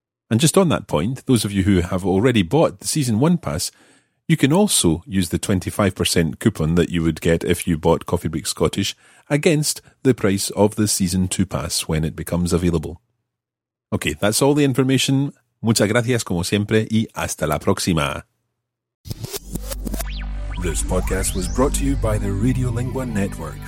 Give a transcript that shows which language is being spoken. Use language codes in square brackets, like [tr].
[en] And just on that point, those of you who have already bought the Season 1 pass, you can also use the 25% coupon that you would get if you bought Coffee Break Scottish against the price of the Season 2 pass when it becomes available. Okay, that's all the information. [es] Muchas gracias como siempre y hasta la próxima. [en] This podcast was brought to you by the Radiolingua Network.